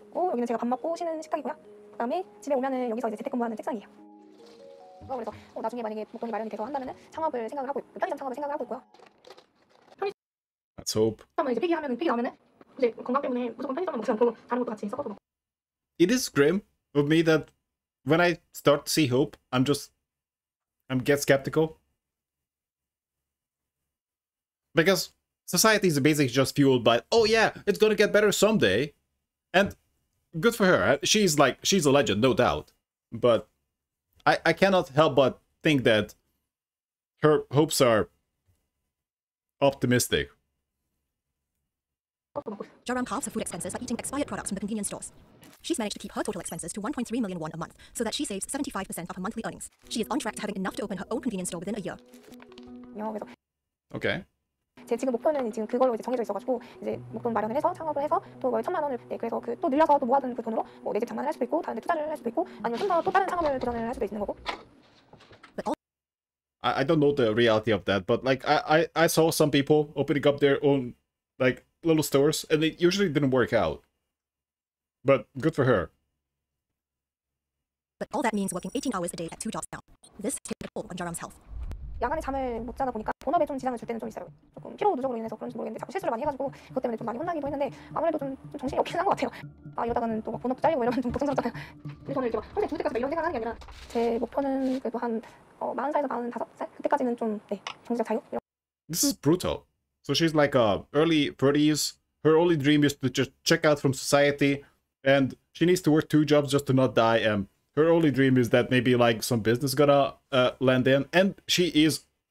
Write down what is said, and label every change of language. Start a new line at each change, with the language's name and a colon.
Korean: 오, 여기는 제가 밥 먹고 쉬는 식탁이고요. 그 다음에 집에 오면은 여기서 이제 재택근무하는 책상이에요. 그래서 어, 나중에 만약에 목돈이 마련이 돼서 한다면은 창업을 생각을 하고 있고 편의점 창업을 생각을 하고 있고요.
English: Let's hope.
Korean: 그러면 이제 폐기 나오면은 이제 건강 때문에 무조건 편의점만 먹지 않고 다른 것도 같이 섞어서 먹고.
English: It is grim of me that when I start to see hope, I'm get skeptical. Because society is basically just fueled by, oh yeah, it's gonna get better someday. And good for her. She's like, she's a legend, no doubt. But I cannot help but think that her hopes are optimistic. Jaron halves her food expenses by eating expired products from the convenience stores. She's managed to keep her total expenses to 1.3 million won a month, so that she saves 75% of her monthly earnings. She is on track to having enough to open her own convenience store within a year. Okay.
Korean: 제 지금 목표는 지금 그걸로 이제 정해져 있어가지고 이제 목돈 마련을 해서 창업을 해서 또 월 천만 원을 네 그래서 그 또 늘려서 또 모아둔 그 돈으로 뭐 내 집 장만을 할 수도 있고 다른 데 투자를 할 수도 있고 아니면 좀 더 또 다른 창업을 도전을 할 수도 있는 거고.
English: I don't know the reality of that, but like I saw some people opening up their own like little stores and it usually didn't work out. But good for her. But all that means working 18 hours a day at two jobs now. This takes a toll on Jaron's health.
Korean: 야간에 잠을 못 자다 보니까 본업에 좀 지장을 줄 때는 좀 있어요. 조금 피로 누적으로 인해서 그런지 모르겠는데 자꾸 실수를 많이 해가지고 그것 때문에 좀 많이 혼나기도 했는데 아무래도 좀 정신이 없긴 한 것 같아요. 아 이러다가는 또 막 본업도 잘리고 이러면 좀 걱정스럽잖아요. 저는 이제 막 평생 죽을 때까지 막 이런 생각하는 게 아니라 제 목표는 그래도 한 40살에서 45살? 그때까지는 좀 네, 정신적 자유?
English: This is brutal. So she's like a early 30s. Her only dream is to just check out from society and she needs to work two jobs just to not die and her only dream is that maybe like some business gonna land in, and she is